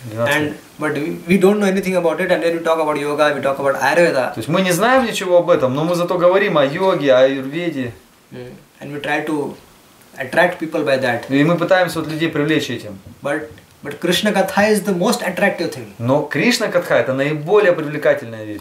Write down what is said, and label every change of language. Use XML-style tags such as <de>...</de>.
<en>And but we don't know anything about it, and then we talk about yoga, we talk about Ayurveda.</en> <ru>То есть мы не знаем ничего об этом, но мы зато говорим о йоге, о Аюрведе.</ru> <en>And we try to attract people by that.</en> <ru>И мы пытаемся вот людей привлечь этим.</ru> <en>But Krishna Katha is the most attractive thing.</en> <ru>Но Кришна Катха это наиболее привлекательная вещь.</ru>